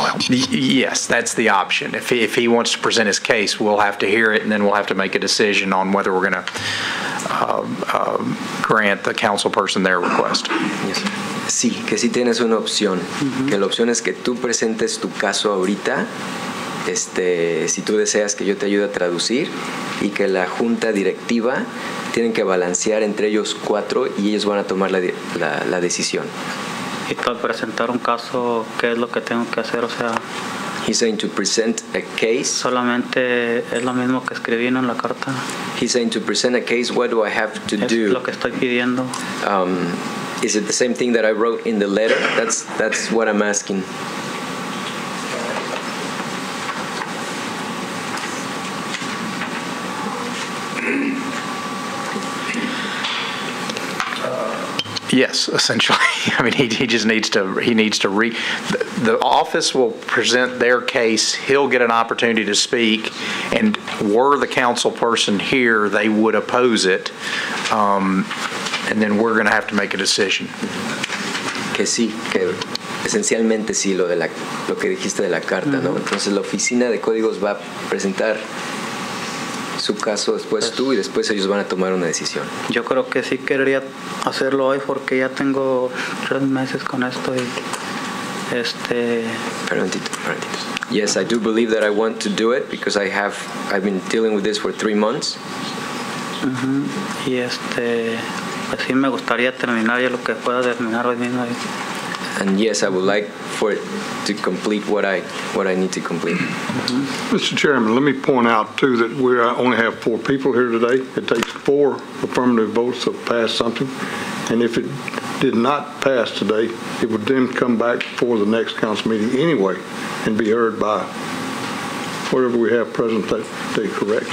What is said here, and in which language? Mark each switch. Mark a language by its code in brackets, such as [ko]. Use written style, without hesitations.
[en] Yes, that's the option. If he wants to present his case, we'll have to hear it, and then we'll have to make a decision on whether we're going to grant the council person their request. Yes. [es] Sí, que sí tienes una opción. Mm-hmm. Que la opción es que tú presentes tu caso ahorita, si tú deseas que yo te ayude a traducir, y que la junta directiva tienen que balancear entre ellos cuatro y ellos van a tomar la decisión. Y para presentar un caso, ¿qué es lo que tengo que hacer? O sea, [en] he's saying to present a case. [es] Solamente es lo mismo que escribí en la carta. [en] He's saying to present a case, what do I have to [es] es [en] do? [es] Es lo que estoy pidiendo. [en] Is it the same thing that I wrote in the letter? That's what I'm asking. Yes, essentially. I mean, he needs to the office will present their case. He'll get an opportunity to speak. And were the council person here, they would oppose it. And then we're going to have to make a decision. [es] Que sí, que esencialmente sí, lo que dijiste de la carta, mm-hmm. ¿no? Entonces la oficina de códigos va a presentar su caso después tú y después ellos van a tomar una decisión. Yo creo que sí querría hacerlo hoy porque ya tengo 3 meses con esto y Permanentito. [en] Yes, I do believe that I want to do it because I've been dealing with this for 3 months. Mm-hmm. [es] Y sí me gustaría terminar ya lo que pueda terminar hoy mismo. [en] And yes, I would like for to complete what I need to complete. Mm-hmm. Mr. Chairman, let me point out too that we only have 4 people here today. It takes 4 affirmative votes to pass something, and if it did not pass today, it would then come back for the next council meeting anyway and be heard by whatever we have present that day, correct?